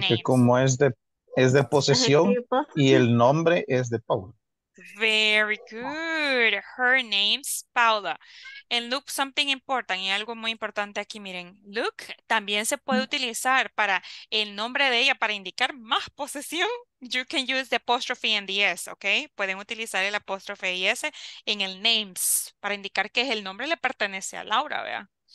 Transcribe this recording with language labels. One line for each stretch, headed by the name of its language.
Spanish: Porque como es de posesión y el nombre es de Paula.
English: Very good. Her name's Paula. And look, something important,
Spanish: y algo muy importante aquí, miren. Look, también se puede utilizar para el nombre de ella para indicar más posesión.
English: You can use the apostrophe and the S, okay?
Spanish: Pueden utilizar el apóstrofe y S en el names para indicar que el nombre le pertenece a Laura, ¿vea?